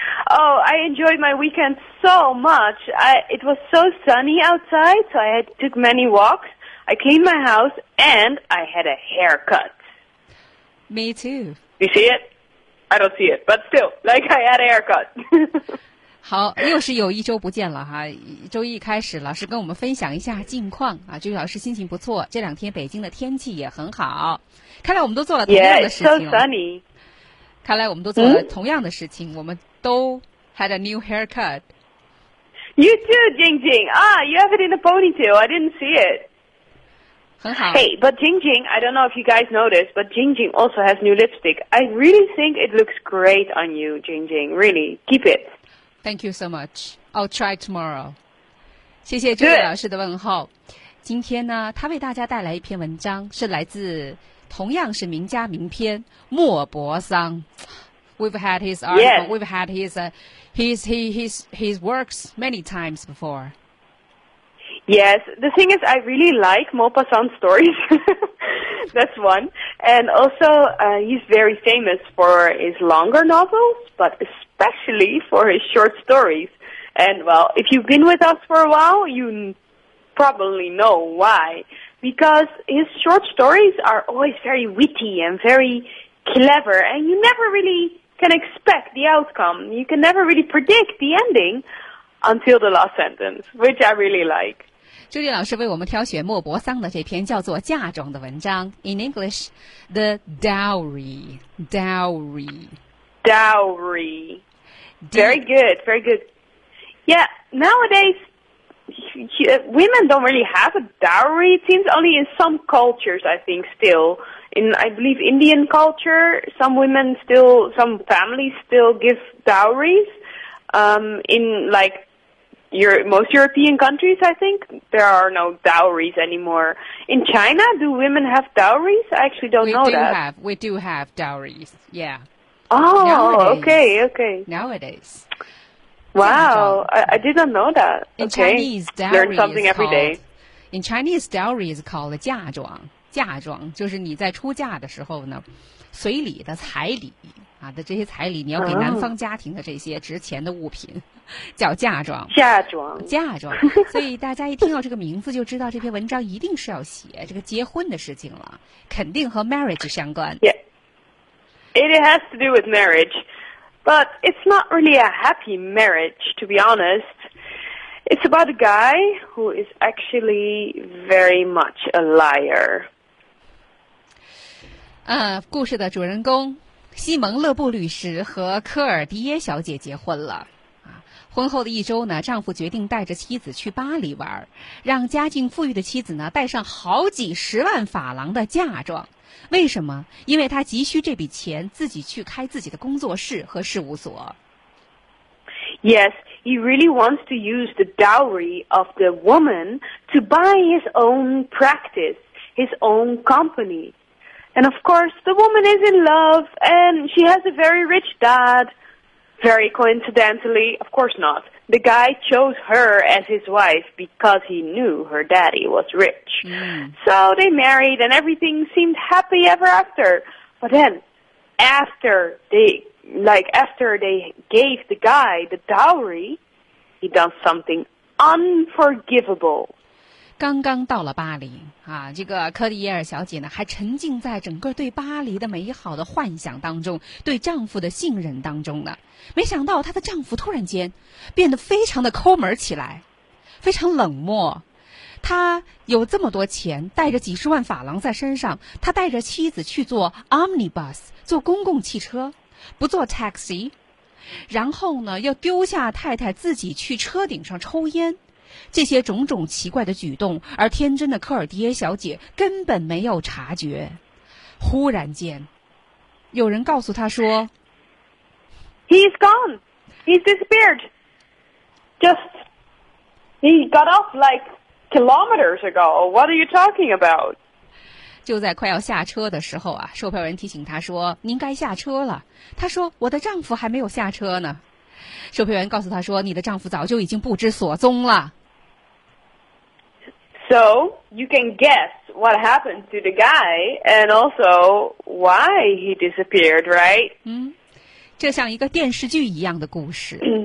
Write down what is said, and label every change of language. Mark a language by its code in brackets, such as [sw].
[en] Oh, I enjoyed my weekend so much. It was so sunny outside, so I took many walks. I cleaned my house, and I had a haircut. Me too. You see it? I don't see it, but still, like I had a haircut. [zh] 好，又是有一周不见了哈。周一开始，老师跟我们分享一下近况啊。就是老师心情不错，这两天北京的天气也很好。看来我们都做了同样的事情。 [en] Yeah, so sunny. [zh] 看来我们都做了同样的事情，我们都 [en] had a new haircut. You too, Jing Jing. Ah, you have it in a ponytail. I didn't see it. [zh] 很好。 [en] Hey, but Jing Jing, I don't know if you guys noticed, but Jing Jing also has new lipstick. I really think it looks great on you, Jing Jing. Really, keep it. Thank you so much. I'll try tomorrow. [zh] 谢谢这位老师的问候。今天呢，他为大家带来一篇文章，是来自。同样是名家名篇莫泊桑 [en] We've had his article、 yes. We've had his works many times before. Yes, the thing is I really like Maupassant's stories. That's one. And also、he's very famous for his longer novels, but especially for his short stories. And well, if you've been with us for a while, you probably know whyBecause his short stories are always very witty and very clever, and you never really can expect the outcome. You can never really predict the ending until the last sentence, which I really like. [zh] Judy 老师为我们挑选莫泊桑的这篇叫做《嫁妆》的文章。 [en] In English, the dowry, dowry, dowry. Very good, very good. Yeah, nowadays. Women don't really have a dowry, it seems, only in some cultures, I think, still. In, I believe, Indian culture, some families still give dowries. In, like, most European countries, I think, there are no dowries anymore. In China, do women have dowries? I actually don't know that. We do have dowries, yeah. Oh, okay. Nowadays. Wow, I did not know that. In、 okay. Chinese, dowry Learn something is called, every day. In Chinese, dowry is called 嫁妆。 [zh] 嫁妆就是你在出嫁的时候呢，随礼的彩礼啊的这些彩礼，你要给男方家庭的这些值钱的物品、叫嫁妆。嫁妆。所以大家一听到这个名字就知道，这篇文章一定是要写这个结婚的事情了，肯定和 marriage 相关。 [en] Yeah, it has to do with marriage. But it's not really a happy marriage, to be honest. It's about a guy who is actually very much a liar. [zh] 故事的主人公西蒙勒布律师和科尔迪耶小姐结婚了。婚后的一周呢，丈夫决定带着妻子去巴黎玩，让家境富裕的妻子呢带上好几十万法郎的嫁妆。为什么？因为他急需这笔钱，自己去开自己的工作室和事务所。 [en] Yes, he really wants to use the dowry of the woman to buy his own practice, his own company. And of course, the woman is in love, and she has a very rich dad. Very coincidentally, of course not. The guy chose her as his wife because he knew her daddy was rich.、 Mm. So they married and everything seemed happy ever after. But then, after they gave the guy the dowry, he does something unforgivable. [zh] 刚刚到了巴黎啊，这个科蒂耶尔小姐呢，还沉浸在整个对巴黎的美好的幻想当中，对丈夫的信任当中呢。没想到她的丈夫突然间变得非常的抠门起来，非常冷漠。他有这么多钱，带着几十万法郎在身上，他带着妻子去坐 omnibus， 坐公共汽车，不坐 taxi， 然后呢，要丢下太太自己去车顶上抽烟。这些种种奇怪的举动，而天真的科尔迪耶小姐根本没有察觉。忽然间，有人告诉她说：“ [en] He's gone. He's disappeared. Just, he got off like kilometers ago. What are you talking about? [zh] 就在快要下车的时候啊，售票员提醒他说，您该下车了。他说，我的丈夫还没有下车呢。售票员告诉他说，你的丈夫早就已经不知所踪了。 [en] So, you can guess what happened to the guy and also why he disappeared, right? [zh] 这像一个电视剧一样的故事。